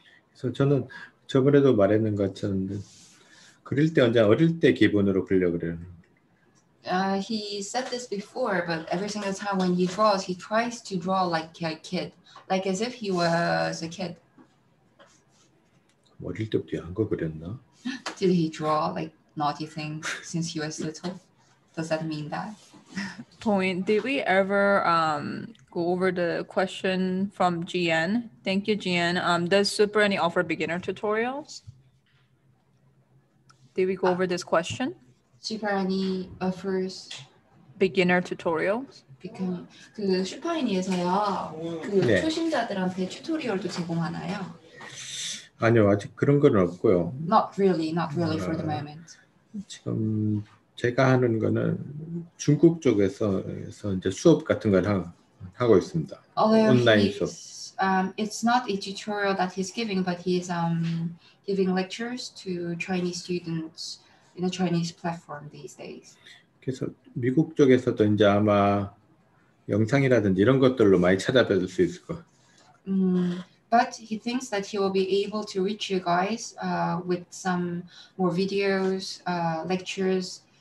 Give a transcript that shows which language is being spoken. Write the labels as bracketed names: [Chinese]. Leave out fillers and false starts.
[Korean] 그래서 저는 저번에도 말했는 것처럼 그릴 때 언제 어릴 때 기분으로 그리려 그래요. [English] He said this before, but every single time when he draws, he tries to draw like a kid, like as if he was a kid. [Korean] 어릴 때부터 한 거 그렸나? [English] Did he draw like naughty things since he was little? Does that mean that? Point. Did we ever go over the question from GN? Thank you, GN. Does Super any offer beginner tutorials? Did we go over this question? Super any offers beginner tutorials? [Korean] Because 그 슈퍼애니에서요 그 네. 초심자들한테 튜토리얼도 제공하나요? 아니요 아직 그런 건 없고요. [English] Not really for the moment. [Korean] 지금 제가 하는 거는 중국 쪽에서 이제 수업 같은 걸 하고 있습니다. [English] Although [Korean] 온라인 수업. [English] It's not a tutorial that he's giving, but he's giving lectures to Chinese students in a Chinese platform these days. [Korean] 그래서 미국 쪽에서도 이제 아마 영상이라든지 이런 것들로 많이 찾아뵐 수 있을 거. [English] But he thinks that he will be able to reach you guys with some more videos, lectures.